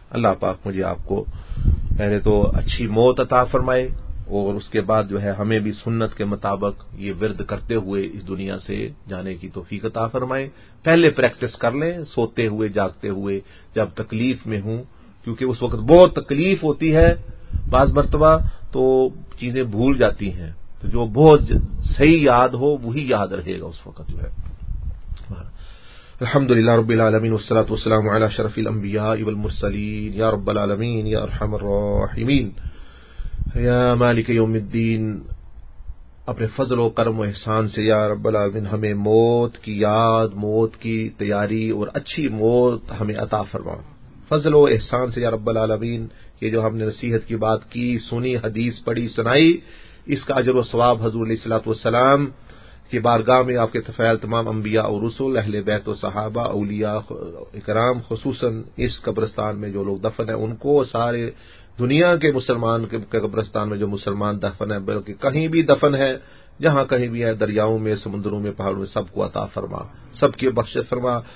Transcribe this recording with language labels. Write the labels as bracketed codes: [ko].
[ur] اللہ پاک مجھے آپ کو پہلے تو اچھی موت عطا فرمائے، اور اس کے بعد جو ہے ہمیں بھی سنت کے مطابق یہ ورد کرتے ہوئے اس دنیا سے جانے کی توفیق عطا فرمائے. پہلے پریکٹس کر لیں سوتے ہوئے جاگتے ہوئے جب تکلیف میں ہوں، کیونکہ اس وقت بہت تکلیف ہوتی ہے، بعض مرتبہ تو چیزیں بھول جاتی ہیں، تو جو بہت صحیح یاد ہو وہی یاد رہے گا اس وقت جو ہے. [ar] الحمد لله رب العالمين والصلاة والسلام على شرف الأنبياء والمرسلين يا رب العالمين يا أرحم الراحمين يا مالك يوم الدين. [ur] اپنے فضل و کرم و احسان سے یا رب العالمین ہمیں موت کی یاد، موت کی تیاری اور اچھی موت ہمیں عطا فرما. فضل و احسان سے یا رب العالمین یہ جو ہم نے نصیحت کی بات کی، سنی، حدیث پڑھی، سنائی، اس کا اجر و ثواب حضور علیہ الصلوۃ والسلام کی بارگاہ میں آپ کے تفیل تمام انبیاء اور رسول، اہل بیت و صحابہ، اولیاء اکرام، خصوصاً اس قبرستان میں جو لوگ دفن ہیں ان کو، سارے دنیا کے مسلمان کے قبرستان میں جو مسلمان دفن ہیں، بلکہ کہیں بھی دفن ہے، جہاں کہیں بھی ہے، دریاؤں میں، سمندروں میں، پہاڑوں میں، سب کو عطا فرما، سب کی بخشش فرما.